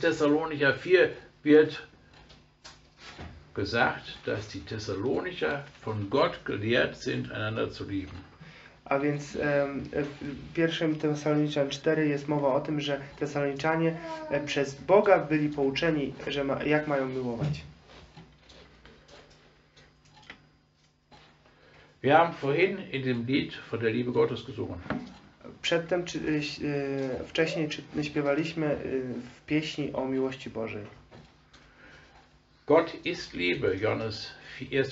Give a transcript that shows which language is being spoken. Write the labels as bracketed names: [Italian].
[German] Thessalonicher 4 wird gesagt, dass die Thessalonicher von Gott gelehrt sind, einander zu lieben. [Polish] A więc w 1. Thessalonicza 4 jest mowa o tym, że Thessaloniczanie przez Boga byli pouczeni, że jak mają miłować. [German] Wir haben vorhin in dem Lied von der Liebe Gottes gesungen. [Polish] Przedtem wcześniej śpiewaliśmy w pieśni o miłości Bożej. [German] Gott ist Liebe, Johannes 1.